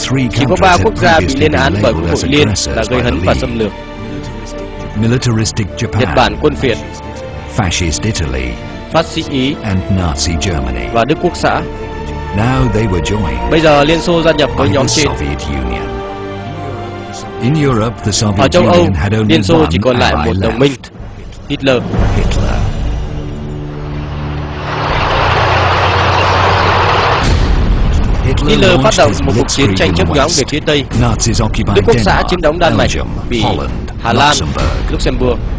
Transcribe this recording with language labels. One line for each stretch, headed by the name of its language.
Vietnamese: Chỉ có 3 quốc gia bị lên án bởi Quốc hội Liên là gây hấn và xâm lược:
English: militaristic Japan,
Vietnamese: Nhật Bản quân phiệt,
English: fascist Italy,
Vietnamese: phát xít Ý,
English: and Nazi Germany,
Vietnamese: và Đức Quốc xã.
English: Now they were joined.
Vietnamese: Bây giờ Liên Xô gia nhập với nhóm trên.
English: In Europe, the Soviet Union had only one ally left.
Vietnamese: Liên Xô chỉ còn lại một đồng minh: Hitler. Hitler phát động một cuộc chiến tranh chớp nhoáng về phía Tây. Đức Quốc xã chiếm đóng Đan Mạch, Bỉ, Hà Lan, Luxembourg.